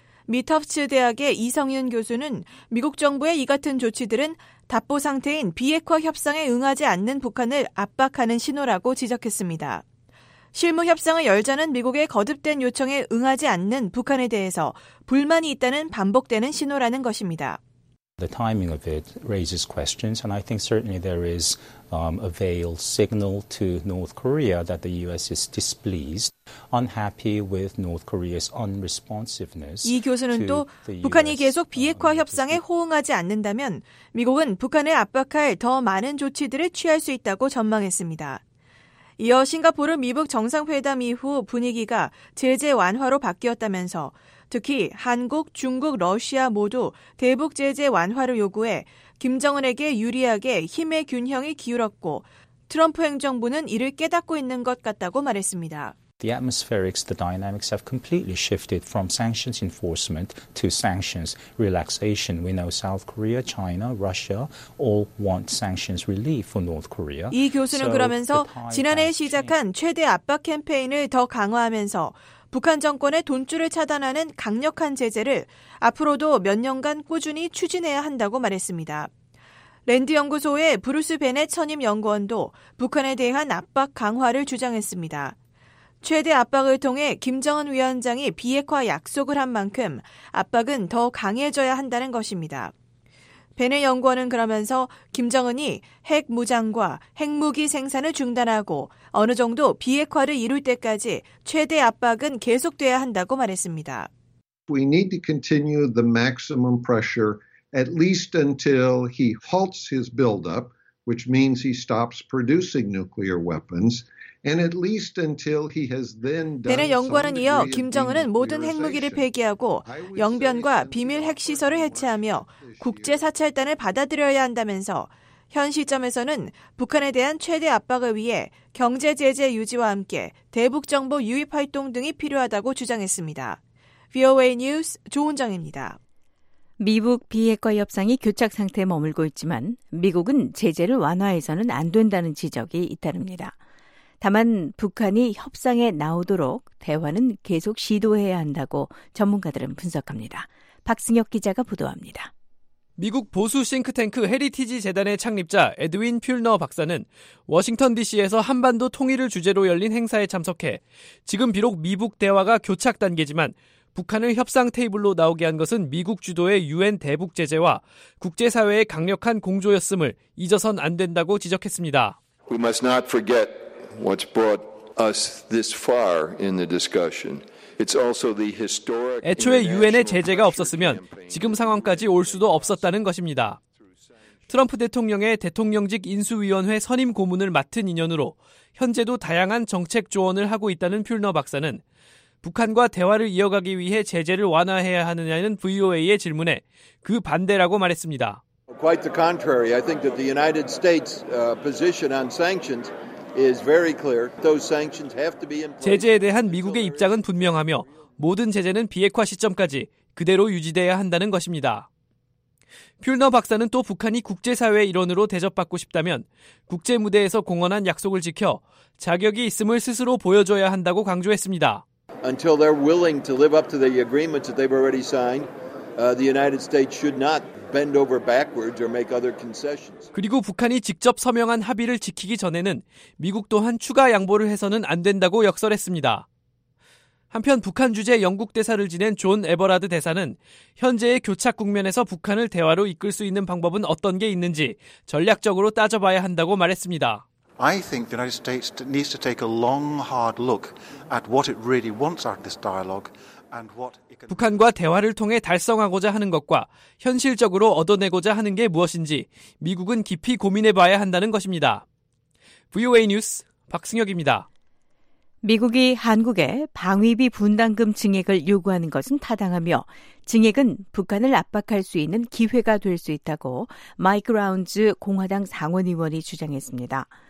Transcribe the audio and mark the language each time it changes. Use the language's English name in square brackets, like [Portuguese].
[Korean] 미터프츠 대학의 이성윤 교수는 미국 정부의 이 같은 조치들은 답보 상태인 비핵화 협상에 응하지 않는 북한을 압박하는 신호라고 지적했습니다. 실무 협상을 열자는 미국의 거듭된 요청에 응하지 않는 북한에 대해서 불만이 있다는 반복되는 신호라는 것입니다. [English] The timing of it raises questions, and I think certainly there is a veiled signal to North Korea that the U.S. is displeased, unhappy with North Korea's unresponsiveness. [Korean] 이 교수는 또 북한이 계속 비핵화 협상에 호응하지 않는다면 미국은 북한을 압박할 더 많은 조치들을 취할 수 있다고 전망했습니다. 이어 싱가포르 미북 정상회담 이후 분위기가 제재 완화로 바뀌었다면서 특히 한국, 중국, 러시아 모두 대북 제재 완화를 요구해 김정은에게 유리하게 힘의 균형이 기울었고 트럼프 행정부는 이를 깨닫고 있는 것 같다고 말했습니다. [English] The atmospherics, the dynamics have completely shifted from sanctions enforcement to sanctions relaxation. We know South Korea, China, Russia all want sanctions relief for North Korea. [Korean] 이 교수는 그러면서 지난해 시작한 최대 압박 캠페인을 더 강화하면서 북한 정권의 돈줄을 차단하는 강력한 제재를 앞으로도 몇 년간 꾸준히 추진해야 한다고 말했습니다. 랜드 연구소의 브루스 베넷 선임 연구원도 북한에 대한 압박 강화를 주장했습니다. 최대 압박을 통해 김정은 위원장이 비핵화 약속을 한 만큼 압박은 더 강해져야 한다는 것입니다. 베넷 연구원은 그러면서 김정은이 핵 무장과 핵무기 생산을 중단하고 어느 정도 비핵화를 이룰 때까지 최대 압박은 계속돼야 한다고 말했습니다. [English] We need to continue the maximum pressure at least until he halts his buildup, which means he stops producing nuclear weapons. And at least until he has then done [Korean] 베넷 연구원은 이어 김정은은 모든 핵무기를 폐기하고 영변과 비밀 핵시설을 해체하며 국제사찰단을 받아들여야 한다면서 현 시점에서는 북한에 대한 최대 압박을 위해 경제 제재 유지와 함께 대북 정보 유입 활동 등이 필요하다고 주장했습니다. VOA 뉴스 조은정입니다. 미북 비핵화 협상이 교착 상태에 머물고 있지만 미국은 제재를 완화해서는 안 된다는 지적이 잇따릅니다. 다만 북한이 협상에 나오도록 대화는 계속 시도해야 한다고 전문가들은 분석합니다. 박승혁 기자가 보도합니다. 미국 보수 싱크탱크 헤리티지 재단의 창립자 에드윈 퓰너 박사는 워싱턴 DC에서 한반도 통일을 주제로 열린 행사에 참석해 지금 비록 미북 대화가 교착 단계지만 북한을 협상 테이블로 나오게 한 것은 미국 주도의 유엔 대북 제재와 국제사회의 강력한 공조였음을 잊어선 안 된다고 지적했습니다. [English] We must not forget what's brought us this far in the discussion. It's also the historic. [Korean] 애초에 UN의 제재가 없었으면 지금 상황까지 올 수도 없었다는 것입니다. 트럼프 대통령의 대통령직 인수위원회 선임 고문을 맡은 인연으로 현재도 다양한 정책 조언을 하고 있다는 퓰너 박사는 북한과 대화를 이어가기 위해 제재를 완화해야 하느냐는 VOA의 질문에 그 반대라고 말했습니다. [English] Quite the contrary. I think that the United States position on sanctions is very clear. Those sanctions have to be in place. [Korean] 제재에 대한 미국의 입장은 분명하며 모든 제재는 비핵화 시점까지 그대로 유지돼야 한다는 것입니다. 퓰너 박사는 또 북한이 국제사회의 일원으로 대접받고 싶다면 국제무대에서 공언한 약속을 지켜 자격이 있음을 스스로 보여줘야 한다고 강조했습니다. [English] Until they're willing to live up to the agreements that they've already signed, the United States should not bend over backwards or make other concessions. [Korean] 그리고 북한이 직접 서명한 합의를 지키기 전에는 미국 또한 추가 양보를 해서는 안 된다고 역설했습니다. 한편 북한 주재 영국 대사를 지낸 존 에버라드 대사는 현재의 교착 국면에서 북한을 대화로 이끌 수 있는 방법은 어떤 게 있는지 전략적으로 따져봐야 한다고 말했습니다. [English] I think the United States needs to take a long, hard look at what it really wants out of this dialogue. [Korean] 북한과 대화를 통해 달성하고자 하는 것과 현실적으로 얻어내고자 하는 게 무엇인지 미국은 깊이 고민해봐야 한다는 것입니다. VOA 뉴스 박승혁입니다. 미국이 한국에 방위비 분담금 증액을 요구하는 것은 타당하며 증액은 북한을 압박할 수 있는 기회가 될 수 있다고 마이크 라운즈 공화당 상원의원이 주장했습니다.